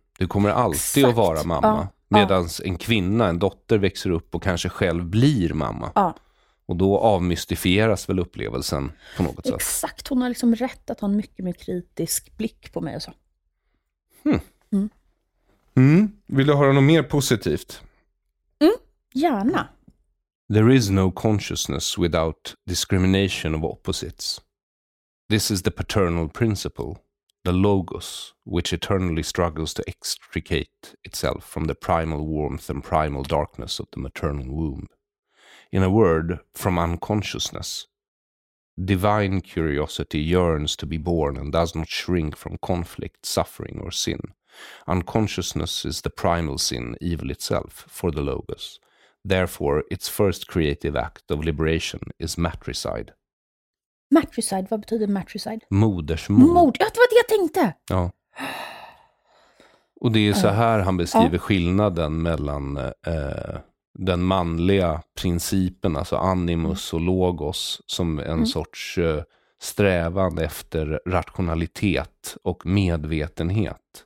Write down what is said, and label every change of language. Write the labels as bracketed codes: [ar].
[sv] Du kommer alltid att vara mamma. Medan en kvinna, en dotter, växer upp och kanske själv blir mamma. Ja. Och då avmystifieras väl upplevelsen på något sätt. Exakt, hon har liksom rätt att ha en mycket mer kritisk blick på mig och så. Vill du höra något mer positivt? Gärna. [en] There is no consciousness without discrimination of opposites. This is the paternal principle. The logos, which eternally struggles to extricate itself from the primal warmth and primal darkness of the maternal womb. In a word, from unconsciousness. Divine curiosity yearns to be born and does not shrink from conflict, suffering, or sin. Unconsciousness is the primal sin, evil itself, for the logos. Therefore, its first creative act of liberation is matricide. [sv] Matricide, vad betyder matricide? Modersmord. Ja, det var det jag tänkte. Ja. Och det är så här han beskriver skillnaden mellan den manliga principen, alltså animus och logos, som en sorts strävan efter rationalitet och medvetenhet.